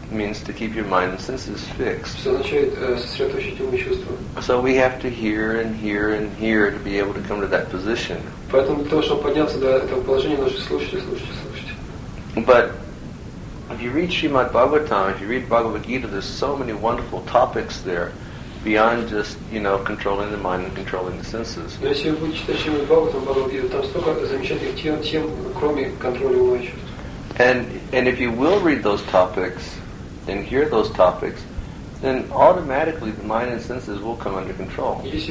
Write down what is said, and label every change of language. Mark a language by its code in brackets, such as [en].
[en] Means to keep your mind and senses fixed. [ru] Это означает сосредоточить ум и чувства. [en] So we have to hear and hear and hear to be able to come to that position. [ru] Поэтому для того, чтобы подняться до этого положения, нужно слушать. [en] But if you read Srimad Bhagavatam, if you read Bhagavad Gita, there's so many wonderful topics there. Beyond just, you know, controlling the mind and controlling the senses. And if you will read those topics and hear those topics, then automatically the mind and senses will come under control.